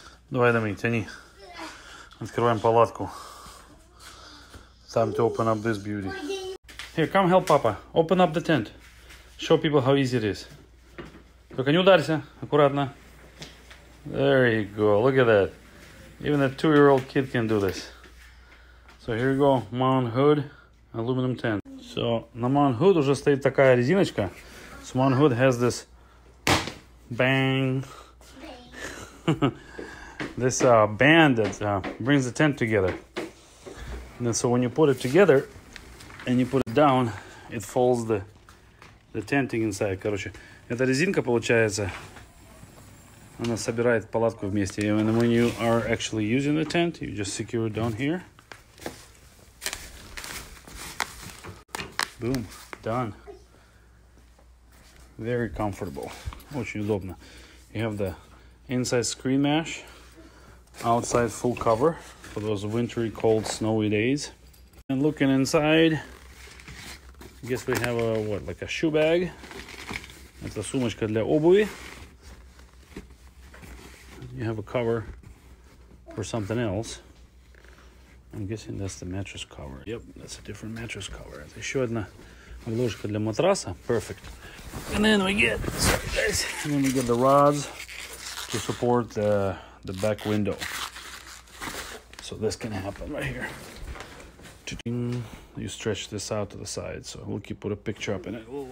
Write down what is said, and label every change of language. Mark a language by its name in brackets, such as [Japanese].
[Russian] Давай, Домик, тяни. Открываем палатку. [English] Time to open up this beauty. Here, come help Papa. Open up the tent. Show people how easy it is. [Russian] Только не ударься, аккуратно. [English] There you go, look at that. Even a two-year-old kid can do this. So here you go, mt.hood aluminum tent. So, [Russian] на mt.hood уже стоит такая резиночка. [English] So mt.hood has this... Bang! This band that brings the tent together. And so when you put it together, and you put it down, it folds the tenting inside. [Russian] Короче, эта резинка получается, она собирает палатку вместе. [English] And when you are actually using the tent, you just secure it down here. Boom, done. Very comfortable. [Russian] Очень удобно. [English] You have the inside screen mesh, outside full cover for those wintry, cold, snowy days. And looking inside, I guess we have a shoe bag. [Russian] Это сумочка для обуви. [English] You have a cover for something else. I'm guessing that's the mattress cover. Yep, that's a different mattress cover. [Russian] Это еще одна обложка для матраса. [English] Perfect. And then we get, the rods to support the back window. So this can happen right here. You stretch this out to the side, so we'll keep put a picture up in it.